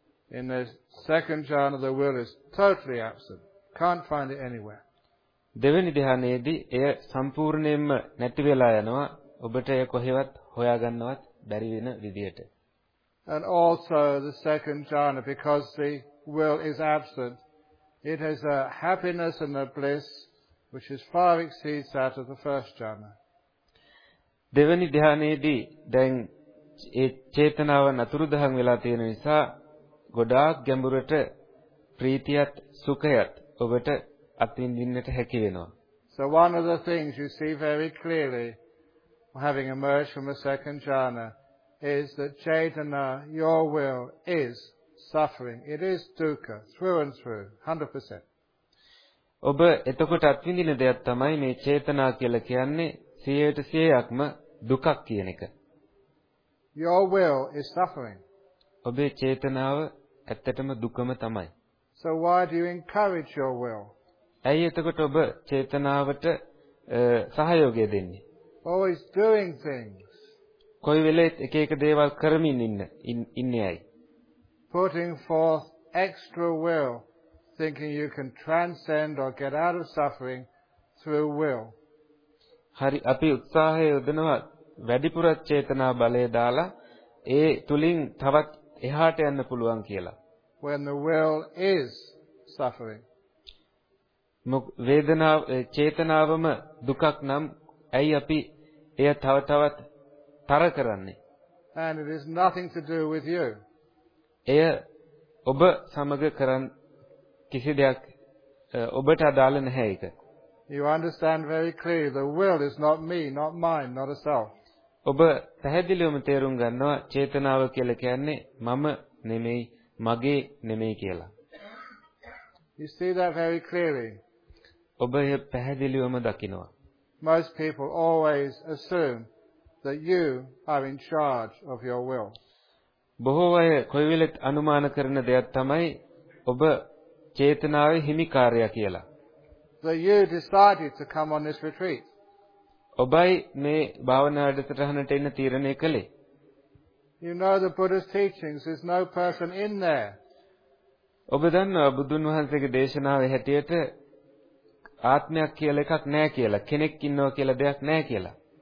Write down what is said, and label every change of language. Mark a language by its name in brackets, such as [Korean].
[English] In the second jhana the will is totally absent. Can't find it anywhere. [Sinhala] දෙවෙනි ධ්‍යානයේදී එය සම්පූර්ණයෙන්ම නැති වෙලා යනවා, ඔබට එය කොහෙවත් හොයාගන්නවත් බැරි වෙන විදියට. [English] And also the second jhana, because the will is absent, it has a happiness and a bliss which is far exceeds that of the first jhana. [Sinhala] දෙවෙනි ධ්‍යානයේදී දැන් ඒ චේතනාව නතුරුදහන් වෙලා තියෙන නිසා ගොඩාක් ගැඹුරට ප්‍රීතියත් සුඛයත් ඔබට අත්විඳින්නට හැකි වෙනවා. [English] So one of the things you see very clearly having emerged from a second jhana is that Chaitanya, your will, is suffering. It is dukkha, through and through, 100%. [Sinhala] ඔබ එතකොට අත්විඳින දෙයක් තමයි මේ චේතනා කියලා කියන්නේ 100%ක්ම දුකක් කියන එක. [English] Your will is suffering. [Sinhala] ඔබේ චේතනාව ඇත්තටම දුකම තමයි. [English] So why do you encourage your will? [Sinhala] ඇයි එතකොට ඔබ චේතනාවට සහයෝගය දෙන්නේ? [English] Always doing things. [Sinhala] කොයි වෙලෙත් එක එක දේවල් කරමින් ඉන්නේ ඇයි? [English] Putting forth extra will, thinking you can transcend or get out of suffering through will. [Sinhala] හරි, අපි උත්සාහය යොදනවා වැඩිපුර චේතනා බලය දාලා ඒ තුලින් තවත් එහාට යන්න පුළුවන් කියලා. [English] When the will is suffering. [Sinhala] වේදනාව චේතනාවම දුකක් නම් ඇයි අපි එය තව තවත් තර කරන්නේ? [English] And it is nothing to do with you. [Sinhala] එය ඔබ සමග කරන් කිසි දෙයක් ඔබට අදාළ නැහැ ඒක. [English] You understand very clearly the will is not me, not mine, not a self. [Sinhala] ඔබ පැහැදිලිවම තේරුම් ගන්නවා චේතනාව කියලා කියන්නේ මම නෙමෙයි, මගේ නෙමෙයි කියලා. [English] You see that very clearly. [Sinhala] ඔබ එය පැහැදිලිවම දකිනවා. [English] Most people always assume that you are in charge of your will. [Sinhala] බොහෝ අය කොයි වෙලෙත් අනුමාන කරන දෙයක් තමයි ඔබ චේතනාවේ හිමිකාරය කියලා. [English] So you decided to come on this retreat. [Sinhala] ඔබයි මේ භාවනා වැඩසටහනට එන්න තීරණය කළේ. [English] You know the Buddha's teachings, there's no person in there. [Sinhala] ඔබ දන්නවා බුදුන් වහන්සේගේ දේශනාවේ හැටියට ආත්මයක් කියලා එකක් නැහැ කියලා, කෙනෙක් ඉන්නවා කියලා දෙයක් නැහැ කියලා.